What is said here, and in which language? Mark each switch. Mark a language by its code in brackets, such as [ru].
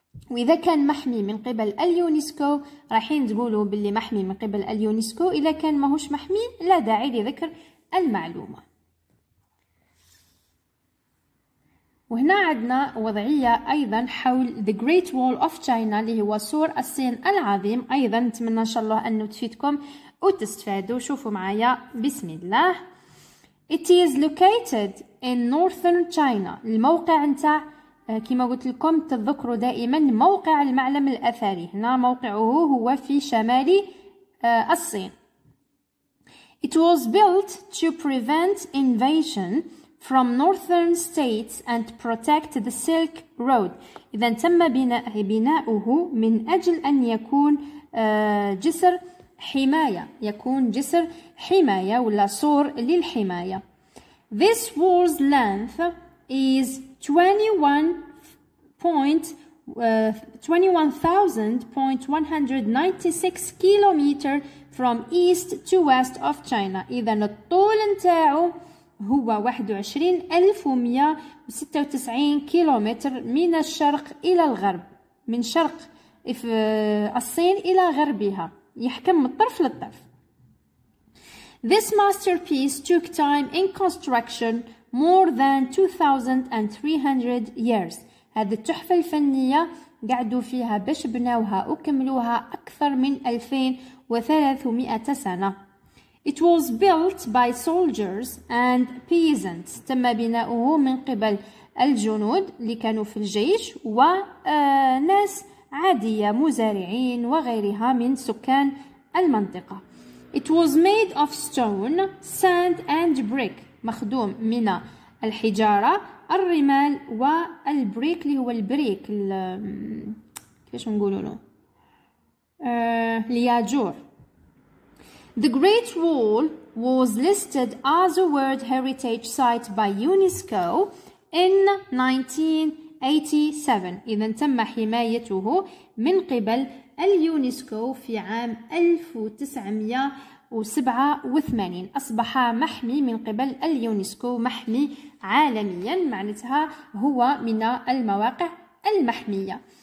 [ar] وإذا كان محمي من قبل اليونسكو راحين تقولوا باللي محمي من قبل اليونسكو، إذا كان ماهوش محمي لا داعي لذكر المعلومة. وهنا عندنا وضعية أيضا حول The Great Wall of China اللي هو سور الصين العظيم. أيضا نتمنى إن شاء الله أنه تفيدكم وتستفادوا. شوفوا معايا بسم الله. [en] It is located in northern China. [ar] الموقع نتاع كما قلت لكم تذكروا دائما موقع المعلم الأثري، هنا موقعه هو في شمال الصين. [en] It was built to prevent invasion from northern states and protect the Silk Road. [ar] إذا تم بناؤه من أجل أن يكون جسر حماية، يكون جسر حماية ولا سور للحماية. [en] This wall's length is 21,196 كيلومتر from east to west of China. [ar] إذا الطول نتاعه هو 21,196 كيلومتر من الشرق إلى الغرب، من شرق الصين إلى غربها، يحكم من الطرف للطرف. [en] This masterpiece took time in construction more than 2,300 years. [ar] هذه التحفة الفنية قعدوا فيها باش بناوها وكملوها أكثر من 2,300 سنة. [en] It was built by soldiers and peasants. [ar] تم بناؤه من قبل الجنود اللي كانوا في الجيش وناس عادية مزارعين وغيرها من سكان المنطقة. [en] It was made of stone, sand and brick. [ar] مخدوم من الحجارة، الرمال والبريك اللي هو البريك كيفاش نقولوا له الياجور. [en] The Great Wall was listed as a World Heritage Site by UNESCO in 1987. [ar] إذا تم حمايته من قبل اليونسكو في عام 1987، أصبح محمي من قبل اليونسكو، محمي عالميا، معناتها هو من المواقع المحمية.